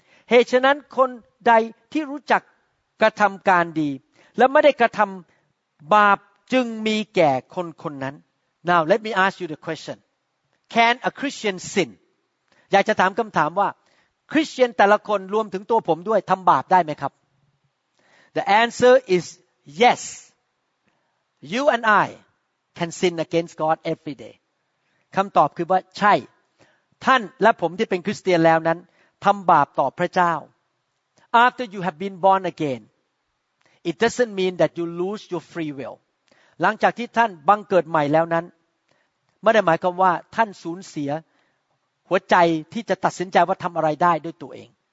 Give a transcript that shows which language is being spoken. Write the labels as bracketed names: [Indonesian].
[Thai] เหตุฉะนั้นคนใดที่รู้จักกระทำการดีและไม่ได้กระทำบาปจึงมีแก่คนคนนั้น [English] Now let me ask you the question Can a Christian sin? [Thai] อยากจะถามคำถามว่าคริสเตียนแต่ละคนรวมถึงตัวผมด้วยทำบาปได้ไหมครับ [English] The answer is yes. You and I can sin against God every day. [Thai] คำตอบคือว่าใช่ท่านและผมที่เป็นคริสเตียนแล้วนั้นทำบาปต่อพระเจ้า [English] After you have been born again, it doesn't mean that you lose your free will. [Thai] หลังจากที่ท่านบังเกิดใหม่แล้วนั้นไม่ได้หมายความว่าท่านสูญเสียหัวใจที่จะตัดสินใจว่าทำอะไรได้ด้วยตัวเอง